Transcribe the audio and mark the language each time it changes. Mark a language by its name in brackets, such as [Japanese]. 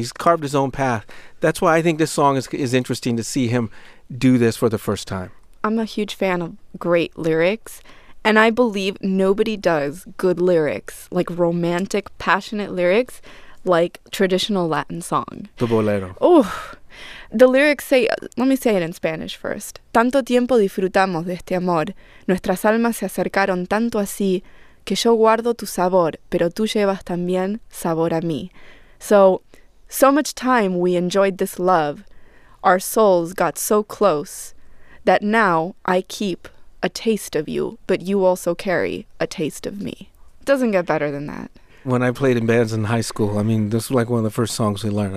[English] He's carved his own path. That's why I think this song is interesting to see him do this for the first time. I'm a huge fan of great lyrics, and I believe nobody does good lyrics, like romantic, passionate lyrics, like traditional Latin song. The bolero. Oh, the lyrics say, let me say it in Spanish first. [Spanish] Tanto tiempo disfrutamos de este amor. Nuestras almas se acercaron tanto así que yo guardo tu sabor, pero tú llevas también sabor a mí. [English] So much time we enjoyed this love. Our souls got so close that now I keep a taste of you, but you also carry a taste of me. Doesn't get better than that. When I played in bands in high school, I mean, this was like one of the first songs we learned.